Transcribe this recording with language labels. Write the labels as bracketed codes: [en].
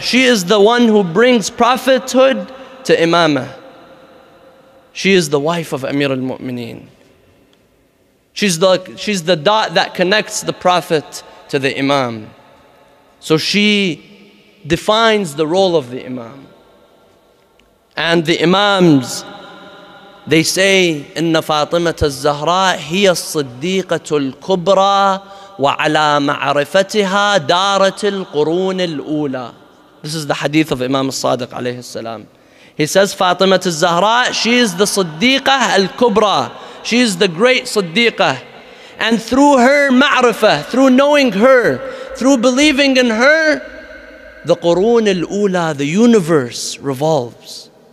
[en] She is the one who brings prophethood to imamah. She is the wife of Amir al-Mu'mineen. She's the dot that connects the Prophet to the Imam. So she defines the role of the Imam. And the Imams, they say, [ar] إِنَّ فَاطِمَةَ الزَّهْرَاءِ هِيَ الصِّدِّيقَةُ الْكُبْرَى وَعَلَى مَعْرِفَتِهَا دَارَةِ الْقُرُونِ الْأُولَى. [en] This is the hadith of Imam al-Sadiq alayhi salam. He says, Fatima al-Zahra, she is the Siddiqah al-Kubra. She is the great Siddiqah. And through her ma'rifah, through knowing her, through believing in her, the Qurun al-Ula, the universe revolves.